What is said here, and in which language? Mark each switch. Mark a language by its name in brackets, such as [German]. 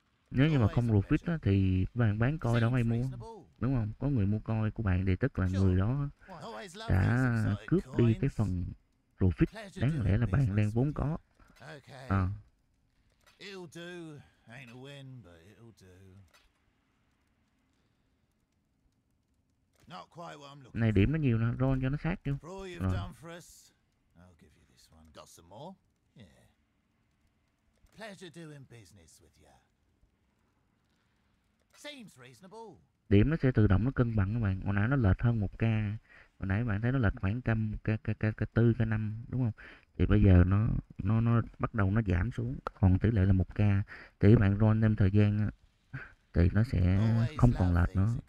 [Vietnamese] Nếu như mà không profit á, thì bạn bán coi đâu ai mua, đúng không? Có người mua coi của bạn thì tức là người đó đã cướp đi cái phần profit đáng lẽ là bạn đang vốn có. [English] It'll do, ain't a win, but it'll do. Not quite what I'm looking. [Vietnamese] Này điểm nó nhiều nè, roll cho nó sát chứ. [English] For all you've done for us, I'll give you this one. Got some more? Yeah. Pleasure doing business with you. Seems reasonable. [Vietnamese] Điểm nó sẽ tự động nó cân bằng các bạn. Hồi nãy nó lệch hơn 1k. Hồi nãy bạn thấy nó lệch khoảng trăm k tư k năm đúng không? Thì bây giờ nó bắt đầu nó giảm xuống còn tỷ lệ là 1k, thì bạn roll thêm thời gian thì nó sẽ không còn lệch nữa.